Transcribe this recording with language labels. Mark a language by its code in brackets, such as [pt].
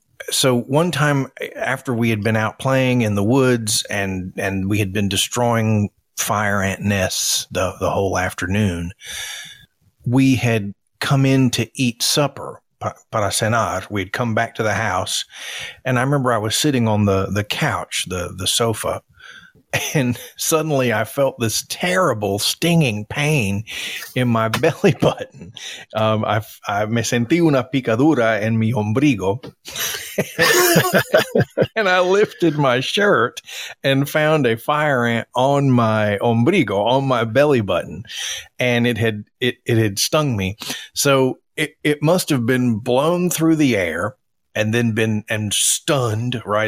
[en] So one time after we had been out playing in the woods and we had been destroying fire ant nests the whole afternoon, we had come in to eat supper, [es] para cenar. [en] We'd come back to the house, and I remember I was sitting on the couch, the sofa, and suddenly I felt this terrible stinging pain in my belly button. [es] I me sentí una picadura en mi ombligo. [en] And I lifted my shirt and found a fire ant on my ombligo, on my belly button. And it had stung me. So it must have been blown through the air and then been and stunned, right?